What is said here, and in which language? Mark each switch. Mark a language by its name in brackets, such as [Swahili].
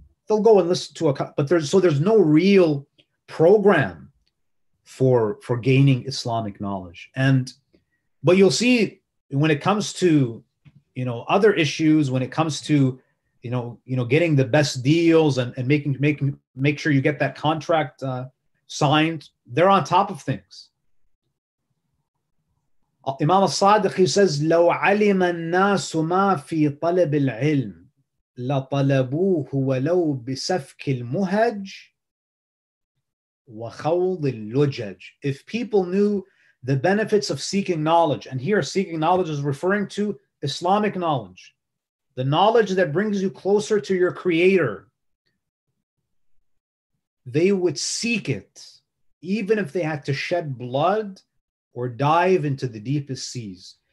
[English] They'll go and listen to there's no real program for gaining Islamic knowledge. But you'll see when it comes to, you know, other issues when it comes to, you know, getting the best deals and making sure you get that contract signed, they're on top of things. Imam al-Sadiq, he says, [Arabic] لو علم الناس ما في طلب العلم لطلبوه ولو بسفك المهج وخوض اللجج. [English] If people knew the benefits of seeking knowledge, and here seeking knowledge is referring to Islamic knowledge, the knowledge that brings you closer to your Creator, they would seek it, even if they had to shed blood or dive into the deepest seas.